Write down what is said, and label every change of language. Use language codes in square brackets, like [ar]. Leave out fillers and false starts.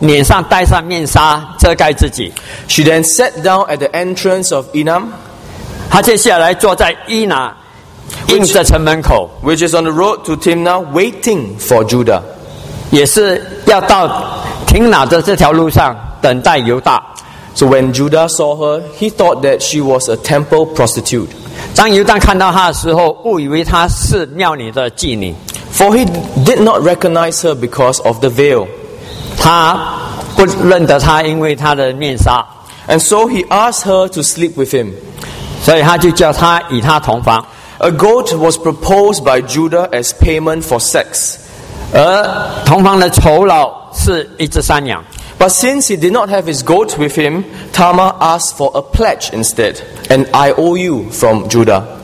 [zh] 他玛知道犹大没有履行诺言，将他的第三个儿子娶他，所以他把他的寡妇的衣服撕破，脸上戴上面纱遮盖自己。 [en] She then sat down at the entrance of Enam. [zh] 他接下来坐在伊拿应着城门口， [en] which is on the road to Timnah, waiting for Judah. [zh] 也是要到提拿的这条路上。 [en] So when Judah saw her, he thought that she was a temple prostitute. [zh] 当犹大看到她的时候，误以为她是庙里的妓女。 [en] For he did not recognize her because of the veil. [zh] 他不认得她，因为她的面纱。 [en] And so he asked her to sleep with him. [zh] 所以他就叫她与他同房。 [en] A goat was proposed by Judah as payment for sex. [zh] 而同房的酬劳是一只山羊。 [en] But since he did not have his goat with him, Tamar asked for a pledge instead, an IOU from Judah.